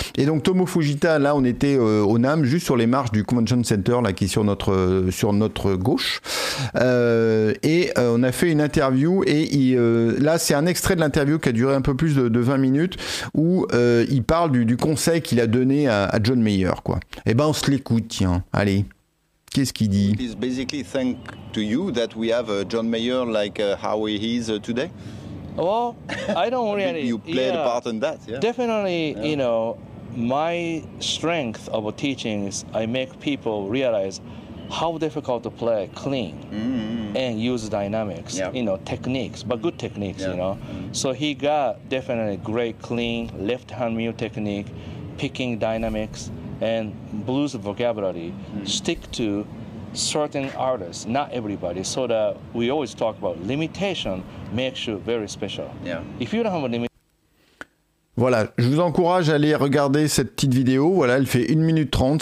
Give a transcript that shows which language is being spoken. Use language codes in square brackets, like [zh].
[fr] Et donc, Tomo Fujita, là, on était au NAMM, juste sur les marches du Convention Center là, qui est sur notre gauche on a fait une interview et là c'est un extrait de l'interview qui a duré un peu plus de 20 minutes où il parle du conseil qu'il a donné à John Mayer quoi. Et ben on se l'écoute tiens allez, qu'est-ce qu'il dit? [en] It is basically thank to you that we have John Mayer like how he is today. Well, I don't really you played a part in that, yeah? Definitely, yeah. You know, my strength of teaching is I make people realize how difficult to play clean and use dynamics, you know, techniques, but good techniques, you know. So he got definitely great clean left hand mute technique, picking dynamics and blues vocabulary. Stick to certain artists, not everybody, so that we always talk about limitation makes you very special. Yeah. If you don't have a limit. [fr] Voilà, je vous encourage à aller regarder cette petite vidéo. Voilà, elle fait 1 minute 30.